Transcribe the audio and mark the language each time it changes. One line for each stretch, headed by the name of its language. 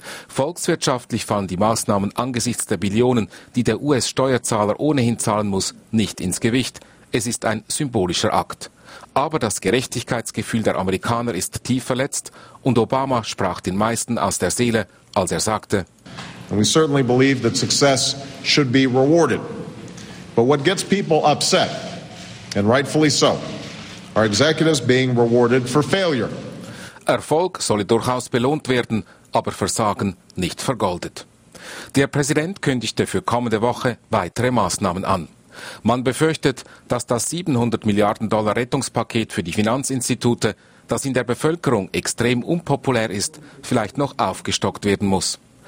German: Volkswirtschaftlich fallen die Maßnahmen angesichts der Billionen, die der US-Steuerzahler ohnehin zahlen muss, nicht ins Gewicht. Es ist ein symbolischer Akt. Aber das Gerechtigkeitsgefühl der Amerikaner ist tief verletzt und Obama sprach den meisten aus der Seele, als er sagte:
English: "We certainly believe that success should be rewarded. But what gets people upset, and rightfully so, are executives being rewarded for failure."
German: Erfolg solle durchaus belohnt werden, aber Versagen nicht vergoldet. Der Präsident kündigte für kommende Woche weitere Maßnahmen an. Man befürchtet, dass das 700 Milliarden Dollar Rettungspaket für die Finanzinstitute, das in der Bevölkerung extrem unpopulär ist, vielleicht noch aufgestockt werden muss.